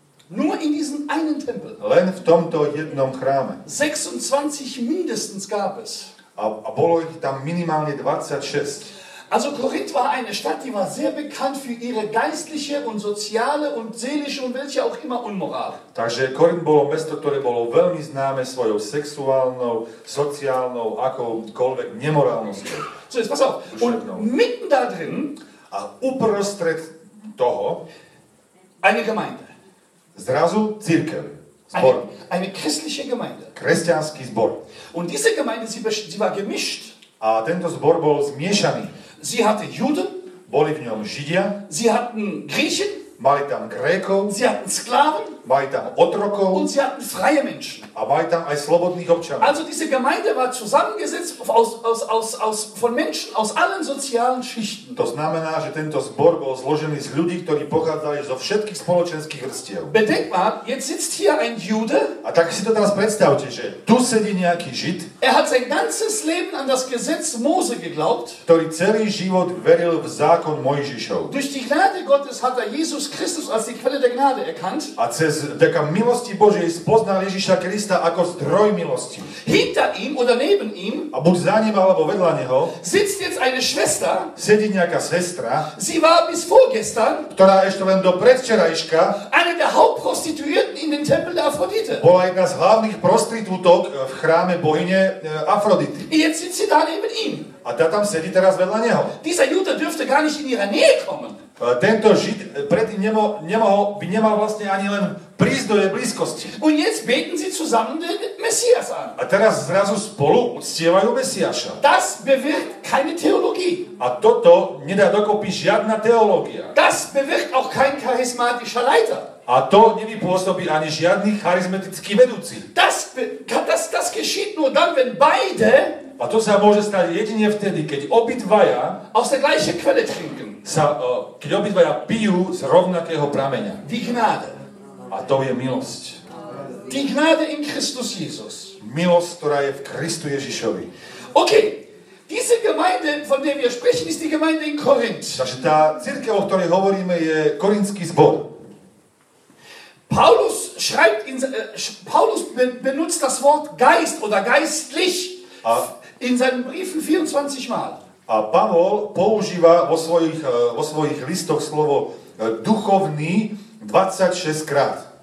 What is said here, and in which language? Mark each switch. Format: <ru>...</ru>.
<de>Nur in diesem einen Tempel.</de> <sk>Len v tomto jednom chráme.</sk> <de>26 mindestens gab es.</de> <sk>A bolo ich tam minimálne 26.</sk> <de>Also Korinth war eine Stadt, die war sehr bekannt für ihre geistliche und soziale und seelische und welche auch immer Unmoral.</de> <sk>Takže Korinth bolo mesto, ktoré bolo veľmi známe svojou sexuálnou, sociálnou, akoukoľvek nemorálnosťou.</sk> <de>So jetzt pass auf. Und mitten da drin,</de> <sk>a uprostred toho,</sk> <de>eine Gemeinde.</de> <sk>Zrazu cirkev, zbor.</sk> <de>Eine christliche Gemeinde.</de> <sk>Kresťanský zbor.</sk> <de>Und diese Gemeinde, sie war gemischt.</de> <sk>A tento zbor bol zmiešaný.</sk> <de>Sie hatte Juden.</de> <sk>Boli v ňom Židia.</sk> <de>Sie hatten Griechen.</de> <sk>Mali tam Grékov.</sk> <de>Sie hatten Sklaven.</de> <sk>Mali tam otrokov.</sk> <de>Und sie hatten freie Menschen.</de> <sk>A mali tam aj slobodných občanov.</sk> <de>Also diese Gemeinde war zusammengesetzt aus von Menschen aus allen sozialen Schichten.</de> <sk>To znamená, že tento zbor bol zložený z ľudí, ktorí pochádzali zo všetkých spoločenských vrstiev.</sk> <de>Bedenk mal, jetzt sitzt hier ein Jude.</de> <sk>A tak si to teraz predstavte, že tu sedí nejaký Žid.</sk> <de>Er hat sein ganzes Leben an das Gesetz Mose geglaubt.</de> <sk>Ktorý celý život veril v zákon Mojžišov.</sk> <de>Durch die Gnade Gottes hat er Jesus Christus als die Quelle der Gnade erkannt.</de> <sk>A cez vďaka milosti Božej spoznal Ježiša Krista ako zdroj milosti.</sk> <de>Hinter ihm oder neben ihm,</de> <sk>a buď za ním alebo vedľa neho,</sk> <de>sitzt jetzt eine Schwester,</de> <sk>sedí nejaká sestra,</sk> <de>sie war bis vorgestern,</de> <sk>ktorá ešte len do predvčerajška,</sk> <de>eine der Hauptprostituierten in den Tempel der Aphrodite.</de> <sk>Bola jedna z hlavných prostitútok v chráme bohyne Afrodity.</sk> <de>Jetzt sitzt sie da neben ihm.</de> <sk>A tá tam sedí teraz vedľa neho.</sk> <de>Dieser Jude dürfte gar nicht in ihrer Nähe kommen.</de> <sk>Tento Žid predtým nemal vlastne ani len prísť do jej blízkosti.</sk> <de>Und jetzt beten sie zusammen den Messias an.</de> <sk>A teraz zrazu spolu uctievajú Mesiáša.</sk> <de>Das bewirkt keine Theologie.</de> <sk>A toto nedá dokopy žiadna teológia.</sk> <de>Das bewirkt auch kein charismatischer Leiter.</de> <sk>A to nevypôsobí ani žiadny charizmatický vedúci.</sk> <de>Das geschieht nur dann, wenn beide,</de> <sk>a to sa môže stať jedine vtedy, keď obidvaja</sk> <de>aus der gleichen Quelle trinken.</de> <sk>sa, keď obidvaja pijú z rovnakého prameňa.</sk> <de>Die Gnade.</de> <sk>A to je milosť.</sk> <de>Die Gnade in Christus Jesus.</de> <sk>Milosť, ktorá je v Kristu Ježišovi. OK.</sk> <de>Diese Gemeinde, von der wir sprechen, ist die Gemeinde in Korinth.</de> <sk>Takže tá cirkev, o ktorej hovoríme, je korinský zbor.</sk> <de>Paulus schreibt in Paulus benutzt das Wort Geist oder geistlich in seinen Briefen 24 mal.</de> <sk>A Pavol používa vo svojich listoch slovo duchovný 26 krát.</sk>